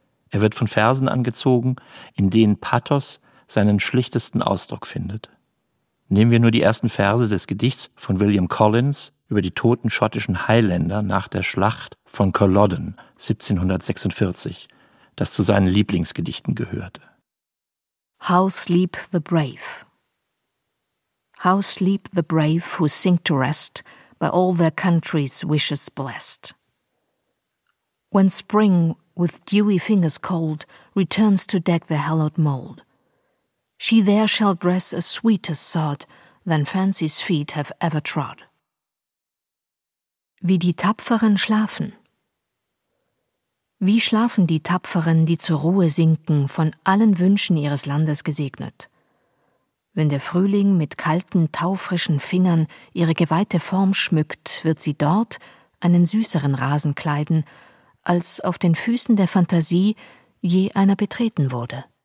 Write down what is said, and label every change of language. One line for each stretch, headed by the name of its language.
German: Er wird von Versen angezogen, in denen Pathos seinen schlichtesten Ausdruck findet. Nehmen wir nur die ersten Verse des Gedichts von William Collins über die toten schottischen Highlander nach der Schlacht von Culloden 1746, das zu seinen Lieblingsgedichten gehörte.
English: How sleep the brave? How sleep the brave who sink to rest by all their country's wishes blessed? When spring with dewy fingers cold returns to deck the hallowed mold, she there shall dress a sweeter sod than fancy's feet have ever trod.
German: Wie die Tapferen schlafen. Wie schlafen die Tapferen, die zur Ruhe sinken, von allen Wünschen ihres Landes gesegnet? Wenn der Frühling mit kalten, taufrischen Fingern ihre geweihte Form schmückt, wird sie dort einen süßeren Rasen kleiden, als auf den Füßen der Fantasie je einer betreten wurde.